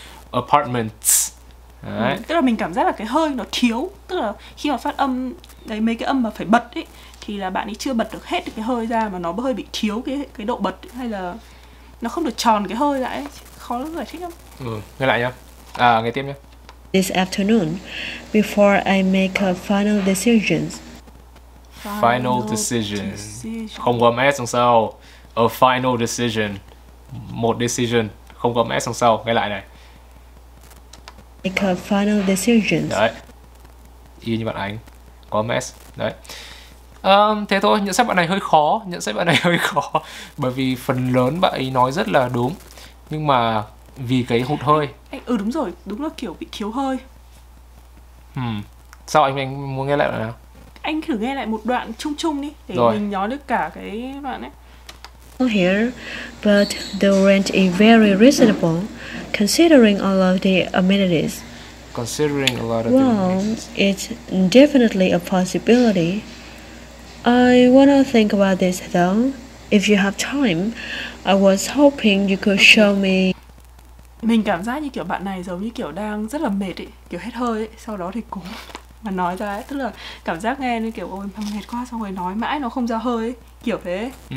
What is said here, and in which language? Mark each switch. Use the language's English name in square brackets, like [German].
[English] Apartments. Đấy. [Vietnamese] Tức là mình cảm giác là cái hơi nó thiếu, tức là khi mà phát âm đấy mấy cái âm mà phải bật ấy thì là bạn ấy chưa bật được hết cái hơi ra mà nó hơi bị thiếu cái độ bật ấy, hay là nó không được tròn cái hơi lại, khó lắm giải thích lắm. Ừ, nghe lại nhá. À nghe tiếp nhá. [English] This afternoon before I make a final decisions. Final decision. [Vietnamese] Không có mess đằng sau. [English] A final decision. [Vietnamese] Một decision. Không có mess đằng sau. Nghe lại này. [English] Make a final decision. [Vietnamese] Đấy. Y như bạn Ánh. Có mess. Đấy. Thế thôi. Nhận xét bạn này hơi khó. Bởi vì phần lớn bạn ấy nói rất là đúng. Nhưng mà vì cái hụt hơi. Ừ đúng rồi. Đúng là kiểu bị thiếu hơi. Sao anh muốn nghe lại bạn nào? Anh thử nghe lại một đoạn chung chung đi để rồi. Mình nhớ được cả cái đoạn ấy. [English] Here, but the rent is very reasonable, considering all of the amenities. Considering a lot of well, the it's definitely a possibility. I wanna think about this though. If you have time, I was hoping you could show me. [Vietnamese] Mình cảm giác như kiểu bạn này giống như kiểu đang rất là mệt ấy, kiểu hết hơi ấy, sau đó thì cũng mà nói ra ấy, tức là cảm giác nghe như kiểu ôi mệt quá xong rồi nói mãi nó không ra hơi ấy, kiểu thế.